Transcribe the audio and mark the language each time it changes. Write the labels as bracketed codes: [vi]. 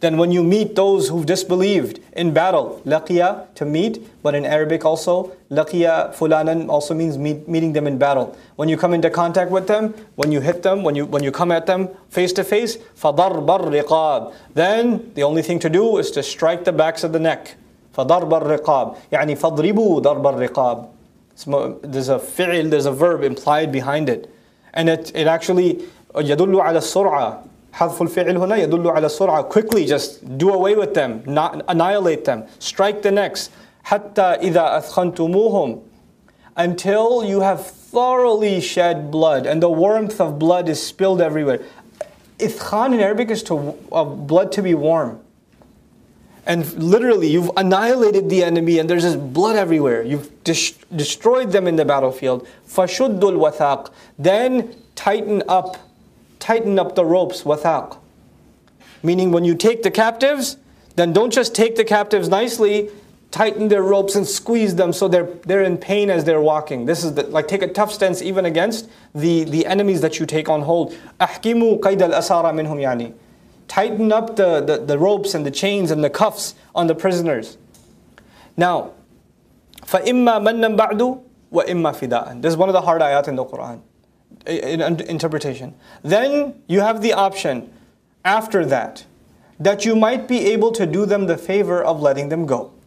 [en] Then when you meet those who've disbelieved in battle, لَقِيَ to meet, but in Arabic also, [ar] لَقِيَ فُلَانًا [en] also means meeting them in battle. When you come into contact with them, when you hit them, when you come at them face to face, [ar] فَضَرْبَ الرِّقَابِ. [en] Then the only thing to do is to strike the backs of the neck. [ar] فَضَرْبَ الرِّقَابِ يعني فَضْرِبُوا ضَرْبَ الرِّقَابِ. [en] There's a fi'il, there's a verb implied behind it. And it actually, [ar] يَدُلُّ عَلَى السُّرْعَةِ. حَذْفُ الْفِعْلِ هُنَا يَدُلُّ عَلَى السُّرْعَةِ. [en] Quickly, just do away with them, not annihilate them, strike the necks. [ar] حَتَّى إِذَا أَثْخَنْتُمُوهُمْ. [en] Until you have thoroughly shed blood, and the warmth of blood is spilled everywhere. إِثْخَان in Arabic is blood to be warm. And literally, you've annihilated the enemy, and there's just blood everywhere. You've destroyed them in the battlefield. [ar] فَشُدُّ الْوَثَاقِ. [en] Then tighten up the ropes, wathaq. Meaning when you take the captives, then don't just take the captives nicely, tighten their ropes and squeeze them so they're in pain as they're walking. This is the, like, take a tough stance even against the enemies that you take on hold. [ar] أحكموا قيد الأسارى منهم يعني. [en] Tighten up the ropes and the chains and the cuffs on the prisoners. Now, [ar] فَإِمَّا مَنَّمْ بَعْدُ وَإِمَّا فِدَاءً. [en] This is one of the hard ayat in the Quran, in interpretation. Then you have the option after that, that you might be able to do them the favor of letting them go.